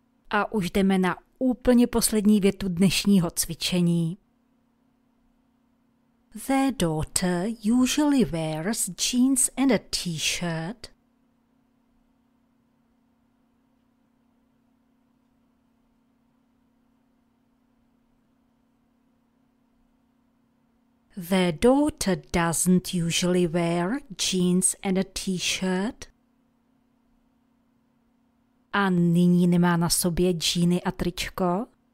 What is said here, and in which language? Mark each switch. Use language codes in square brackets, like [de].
[cs] A už jdeme na úplně poslední větu dnešního cvičení. [en] Their daughter usually wears jeans and a t-shirt. Their daughter doesn't usually wear jeans and a t-shirt. [cs] A nyní nemá na sobě džíny a tričko.